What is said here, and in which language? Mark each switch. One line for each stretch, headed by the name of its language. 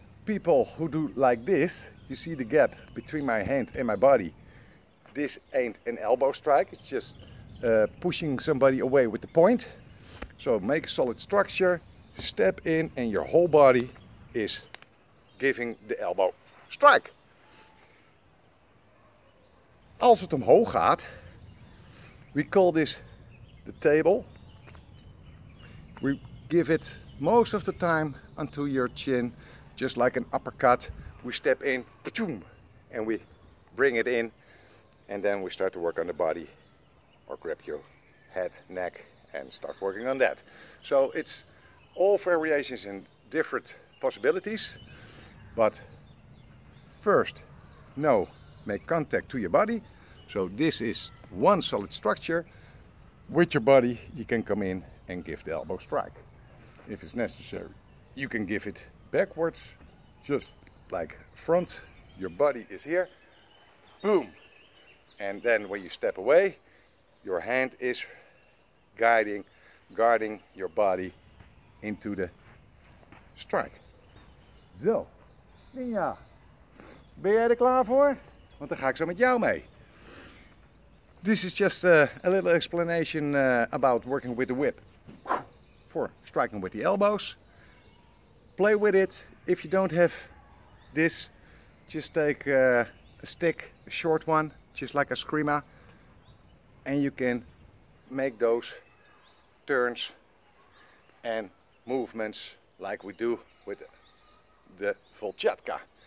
English: people who do like this, you see the gap between my hand and my body. This ain't an elbow strike, it's just pushing somebody away with the point. So make a solid structure, step in, and your whole body is giving the elbow strike.
Dutch: Als het omhoog gaat,
English: we call this the table. We give it most of the time onto your chin, just like an uppercut. We step in, and we bring it in, and then we start to work on the body, or grab your head, neck, and start working on that. So it's all variations and different possibilities, but first, no, make contact to your body. So this is one solid structure. With your body, you can come in and give the elbow strike. If it's necessary, you can give it backwards, just like front, your body is here, boom. And then when you step away, your hand is guarding your body into the strike.
Dutch: Zo, Ninja, ben jij er klaar voor? Want dan ga ik zo met jou mee.
English: This is just a little explanation about working with the whip for striking with the elbows. Play with it. If you don't have this, just take a stick, a short one, just like a screamer, and you can make those turns and movements like we do with the Volchatka.